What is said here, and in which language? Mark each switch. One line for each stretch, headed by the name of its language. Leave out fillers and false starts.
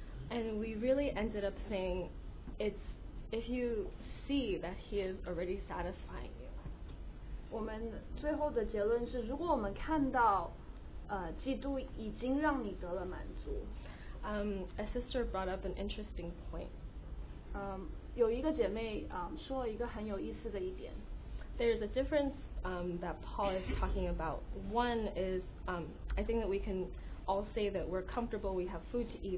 English: And we really ended up saying it's if you see that he is already satisfying you.
Chinese: 我们最后的结论是, 如果我们看到, 基督已经让你得了满足,
English: A sister brought up an interesting point.
Chinese: 有一个姐妹, 说了一个很有意思的一点。
English: There is a difference that Paul is talking about. One is, I think that we can all say that we're comfortable, we have food to eat.